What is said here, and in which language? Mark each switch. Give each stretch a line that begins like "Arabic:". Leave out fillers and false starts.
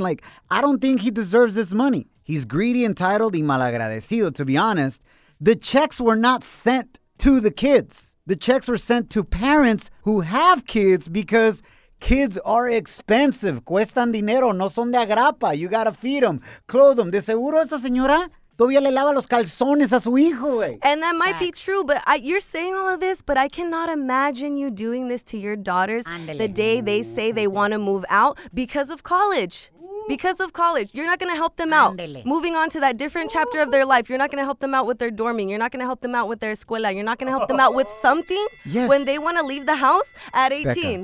English: Like, I don't think he deserves this money. He's greedy, entitled,
Spanish: y malagradecido,
English: to be honest. The checks were not sent to the kids. The checks were sent to parents who have kids because kids are expensive.
Spanish: Cuestan dinero. No son de agrapa.
English: You got to feed them. Clothe them.
Spanish: De seguro esta señora todavía le lava los calzones a su hijo, güey.
English: And that might be true, but you're saying all of this, but I cannot imagine you doing this to your daughters
Spanish: Andale.
English: The day they say they want to move out because of college. Ooh. because of college. You're not going to help them out. Moving on to that different chapter of their life. You're not going to help them out with their dorming. You're not going to help them out with their escuela. You're not going to help them out with something when they want to leave the house at 18.